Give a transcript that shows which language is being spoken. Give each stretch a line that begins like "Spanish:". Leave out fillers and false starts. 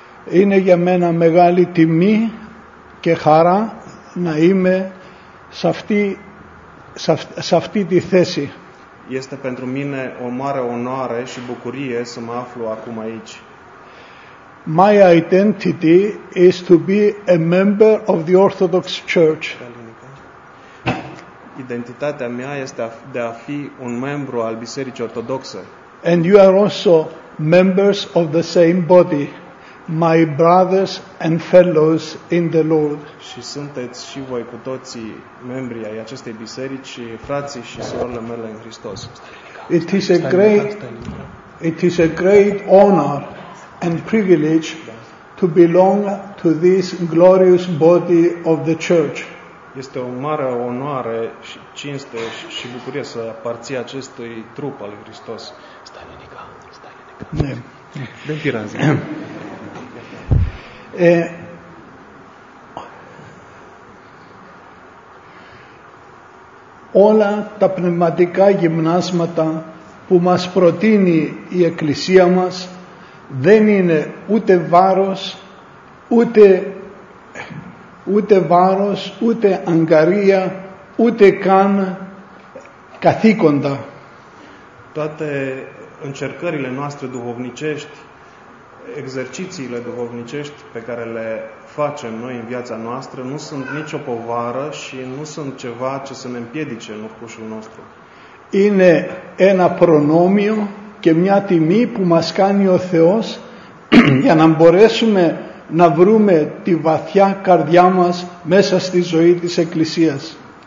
Greek: Είναι για μένα μεγάλη τιμή και χαρά να είμαι σε αυτή, σε αυτή τη θέση.
Romanian: Este pentru mine o mare onoare și bucurie să mă aflu acum aici.
English: My identity is to be a member of the Orthodox Church.
Romanian: Identitatea mea este de a fi un membru al Bisericii Ortodoxe.
English: And you are also members of the same body, my brothers and fellows in the Lord.
Romanian: Și sunteți și voi cu toții membri ai acestei biserici, frații și surorile mele în Hristos.
English: It is a great honor and privilege to belong to this glorious body of the Church.
Romanian: Este o mare onoare și cinste și bucurie să aparții acestui trup al lui Hristos. Stai linica.
Greek: Όλα τα πνευματικά γυμνάσματα που μας προτείνει η Εκκλησία μας δεν είναι ούτε βάρος, ούτε βάρος, ούτε αγκαρία, ούτε καν καθήκοντα. Τότε
Romanian: încercările noastre duhovnicești, exercițiile duhovnicești pe care le facem noi în viața noastră nu sunt nicio povară și nu sunt ceva ce să ne împiedice în urcușul nostru.
Greek: Είναι ένα προνόμιο και μια τιμή που μας κάνει ο Θεός για να μπορέσουμε να βρούμε τη βαθιά καρδιά μας μέσα στη ζωή της Εκκλησίας.